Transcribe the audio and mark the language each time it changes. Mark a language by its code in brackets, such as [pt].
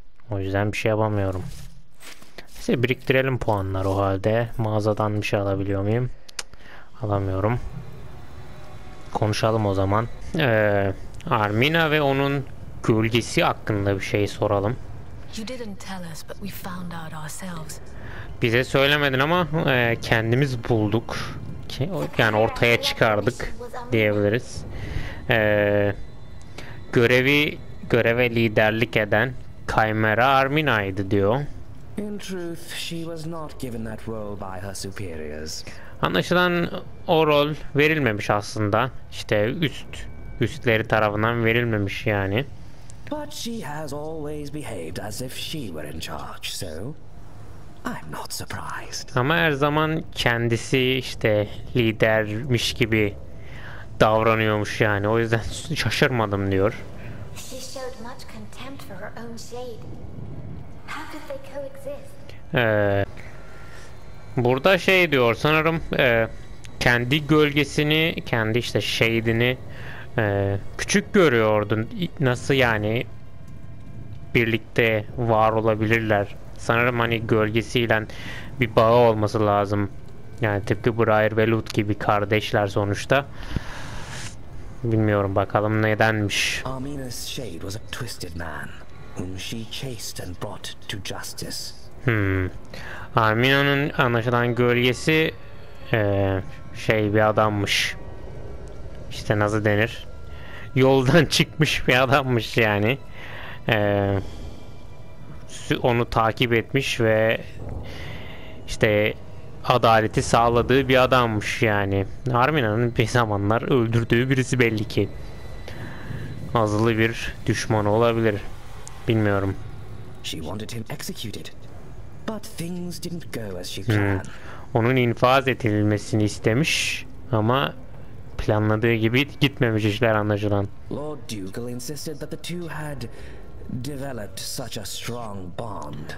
[tr] O yüzden bir şey yapamıyorum. Neyse, biriktirelim puanlar o halde. Mağazadan bir şey alabiliyor muyum? Cık, alamıyorum. Konuşalım o zaman. Armina ve onun gölgesi hakkında bir şey soralım. [en] You didn't tell us, but we found out ourselves. [tr] Bize söylemedin ama kendimiz bulduk. Yani ortaya çıkardık diyebiliriz. Göreve liderlik eden Chimera Armina'ydı diyor. [en] In truth, she was not given that role by her superiors. [tr] Anlaşılan o rol verilmemiş aslında. İşte üstleri tarafından verilmemiş yani. [en] But she has always behaved as if she were in charge, so I'm not surprised. [tr] Ama her zaman kendisi işte lidermiş gibi davranıyormuş yani. O yüzden şaşırmadım diyor. [en] She showed much control craved for her own shade. How could they coexist? [tr] Burada şey diyor sanırım, kendi gölgesini, kendi işte shade'ini küçük görüyordu. Nasıl yani birlikte var olabilirler? Sanırım hani gölgesiyle bir bağı olması lazım. Yani tıpkı Briar ve Lut gibi kardeşler sonuçta. Bilmiyorum, bakalım nedenmiş. [en] Armina's shade was a twisted man whom she chased and brought to justice. [tr] Armina'nın anlaşılan gölgesi şey bir adammış. İşte nasıl denir? Yoldan çıkmış bir adammış yani. Onu takip etmiş ve işte adaleti sağladığı bir adammış yani. Armina'nın bir zamanlar öldürdüğü birisi belli ki. Azılı bir düşmanı olabilir. Bilmiyorum. [en] She wanted him executed. But things didn't go as she planned. [tr] Onun infaz edilmesini istemiş ama planladığı gibi gitmemiş işler anlaşılan. [en] Lord Dougal insisted that the two had developed such a strong bond.